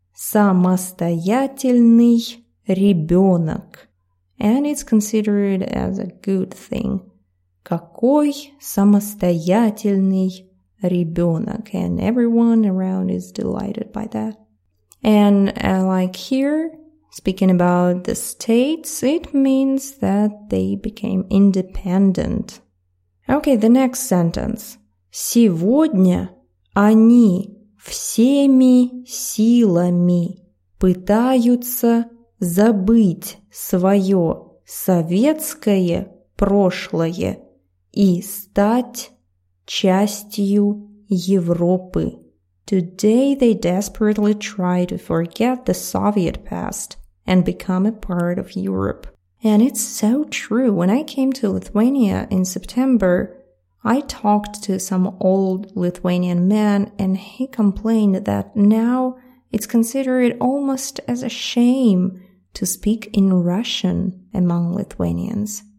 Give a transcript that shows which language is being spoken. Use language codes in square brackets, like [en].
[ru] Самостоятельный ребенок. [en] And it's considered as a good thing. [ru] Какой самостоятельный ребенок. [en] And everyone around is delighted by that. And like here, speaking about the states, it means that they became independent. Okay, the next sentence. [ru] Сегодня они всеми силами пытаются забыть свое советское прошлое и стать частью Европы. [en] Today they desperately try to forget the Soviet past and become a part of Europe. And it's so true. When I came to Lithuania in September, I talked to some old Lithuanian man and he complained that now it's considered almost as a shame to speak in Russian among Lithuanians.